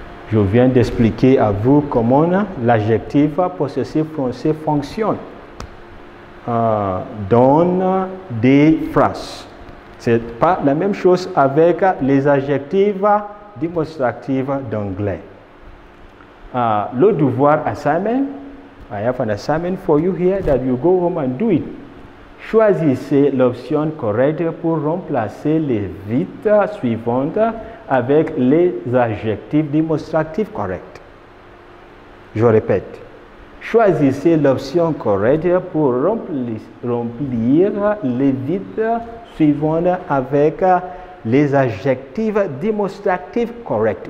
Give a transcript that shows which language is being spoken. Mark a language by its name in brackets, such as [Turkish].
[French] Je viens d'expliquer à vous comment l'adjectif possessif français fonctionne dans des phrases. C'est pas la même chose avec les adjectifs démonstratifs d'anglais. Le devoir [English] assignment, I have an assignment for you here that you go home and do it. [French] Choisissez l'option correcte pour remplacer les vites suivantes avec les adjectifs démonstratifs corrects. Je répète. Choisissez l'option correcte pour remplir les vites suivantes avec les adjectifs démonstratifs corrects.